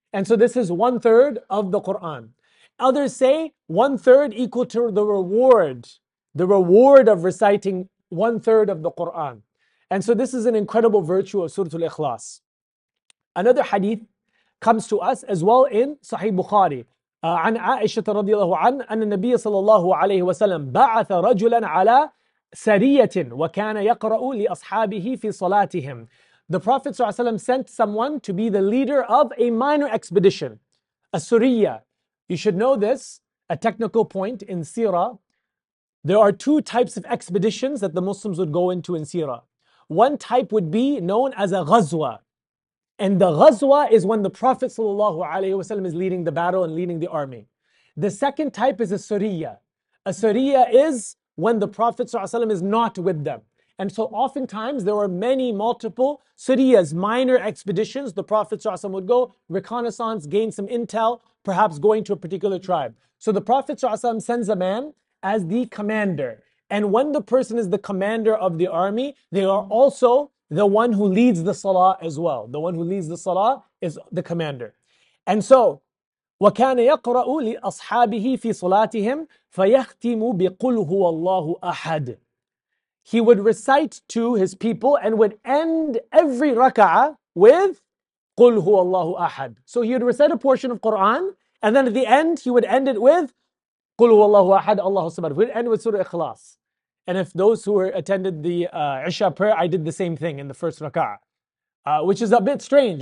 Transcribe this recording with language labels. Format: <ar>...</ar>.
<en>And so this is 1/3 of the Qur'an. Others say 1/3 equal to the reward of reciting 1/3 of the Qur'an. And so this is an incredible virtue of Surah Al-Ikhlas. Another hadith comes to us as well in Sahih Bukhari.</en> <ar>عن عائشة رضي الله عن أن النبي صلى الله عليه وسلم بعث رجلا على سرية وكان يقرأ لأصحابه في صلاتهم.</ar> <en>The Prophet صلى الله عليه وسلم sent someone to be the leader of a minor expedition, a suriya. You should know this, a technical point in Sirah. There are two types of expeditions that the Muslims would go into in Sirah. One type would be known as a ghazwa. And the ghazwa is when the Prophet ﷺ is leading the battle and leading the army. The second type is a suriya. A suriya is when the Prophet ﷺ is not with them. And so oftentimes there were many multiple suriyas, minor expeditions. The Prophet ﷺ would go, reconnaissance, gain some intel, perhaps going to a particular tribe. So the Prophet ﷺ sends a man as the commander. And when the person is the commander of the army, they are also the one who leads the salah as well. The one who leads the salah is the commander. And so,</en> <ar>وَكَانَ يَقْرَأُ لِأَصْحَابِهِ فِي صُلَاتِهِمْ فَيَخْتِمُ بِقُلْ هُوَ اللَّهُ أَحَدٍ.</ar> <en>He would recite to his people and would end every raka'ah with</en> <ar>قُلْ هُوَ اللَّهُ أَحَدٍ.</ar> <en>So he would recite a portion of Qur'an and then at the end he would end it with</en> <ar>قُلْ هُوَ اللَّهُ أَحَدٍ اللَّهُ سَمَدٍ.</ar> <en>We'd end with Surah Ikhlas. And if those who were attended the Isha prayer, I did the same thing in the first raka'ah. Which is a bit strange.</en>